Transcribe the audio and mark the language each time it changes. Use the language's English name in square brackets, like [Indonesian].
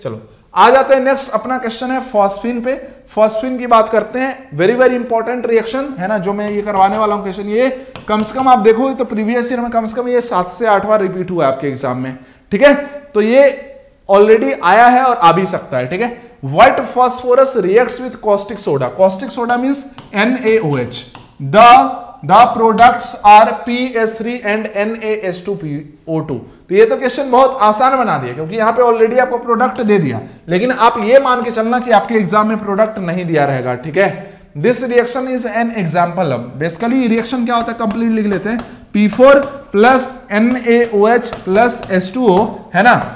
[Hindi] चलो आ जाते हैं नेक्स्ट, अपना क्वेश्चन है फॉस्फीन पे, फॉस्फीन की बात करते हैं, वेरी वेरी इंपॉर्टेंट रिएक्शन है ना जो मैं ये करवाने वाला हूं क्वेश्चन, ये कम से कम आप देखो तो प्रीवियस ईयर में कम से कम ये 7-8 बार रिपीट हुआ है आपके एग्जाम में, ठीक है, तो ये ऑलरेडी आया है और आ भी सकता है, ठीक है। [English] white phosphorus reacts with caustic soda. Caustic soda means NaOH. The products are PS3 and NaS2PO2. [Hindi] तो ये तो क्वेश्चन बहुत आसान बना दिया, क्योंकि यहाँ पे ऑलरेडी आपको प्रोडक्ट दे दिया, लेकिन आप ये मान के चलना कि आपके एग्जाम में प्रोडक्ट नहीं दिया रहेगा, ठीक है। [English] This reaction is an example. [Hindi] Basically reaction क्या होता है, कंप्लीट लिख लेते हैं, P4 plus NaOH plus H2O, है ना।